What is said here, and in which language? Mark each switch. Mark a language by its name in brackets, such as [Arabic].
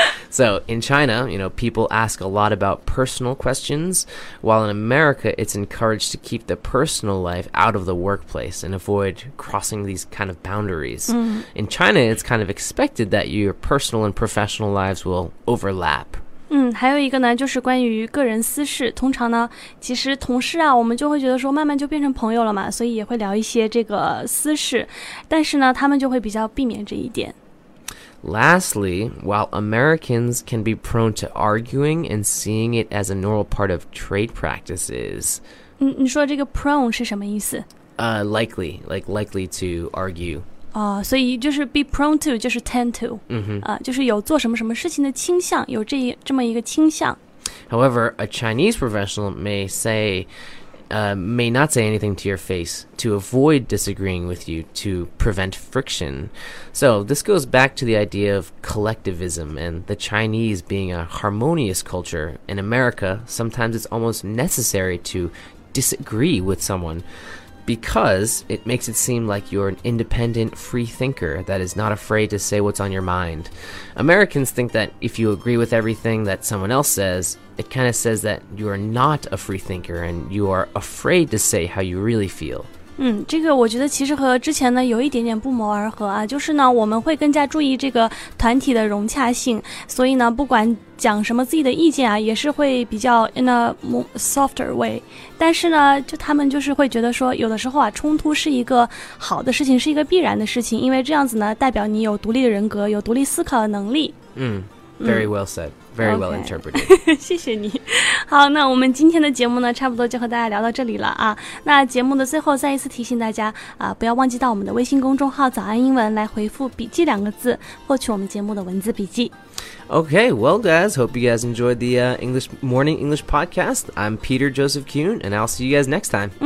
[English] So in China, you know, people ask a lot about personal questions, while in America, it's encouraged to keep the personal life out of the workplace and avoid crossing these kind of boundaries. Mm-hmm. In China, it's kind of expected that your personal and professional lives will overlap. [Chinese] 还有一个呢，就是关于个人私事。通常呢，其实同事啊，我们就会觉得说慢慢就变成朋友了嘛，所以也会聊一些这个私事。但是呢，他们就会比较避免这一点。 [English] Lastly, while Americans can be prone to arguing and seeing it as a normal part of trade practices, [Chinese] 你说这个 prone 是什么意思？ [English] Likely, like likely to argue. [Chinese] 所以就是 be prone to, 就是 tend to. 就是有做什么什么事情的倾向，有这么一个倾向。 [English] However, a Chinese professional may not say anything to your face to avoid disagreeing with you to prevent friction. So this goes back to the idea of collectivism and the Chinese being a harmonious culture. In America, sometimes it's almost necessary to disagree with someone because it makes it seem like you're an independent free thinker that is not afraid to say what's on your mind. Americans think that if you agree with everything that someone else says,It kind of says that you are not a free thinker and you are afraid to say how you really feel. [Chinese] 这个我觉得其实和之前呢有一点点不谋而合啊，就是呢我们会更加注意这个团体的融洽性，所以呢不管讲什么自己的意见啊，也是会比较 [English] in a softer way. [Chinese] 但是呢就他们就是会觉得说有的时候啊冲突是一个好的事情，是一个必然的事情，因为这样子呢代表你有独立的人格，有独立思考的能力。 [English] Very well said. Very well interpreted. [Chinese] 谢谢你。好，那我们今天的节目呢，差不多就和大家聊到这里了啊。那节目的最后再一次提醒大家啊，不要忘记到我们的微信公众号早安英文来回复笔记两个字，获取我们节目的文字笔记。 [English] Okay, well guys, hope you guys enjoyed the English Morning English Podcast. I'm Peter Joseph Kuhn, and I'll see you guys next time.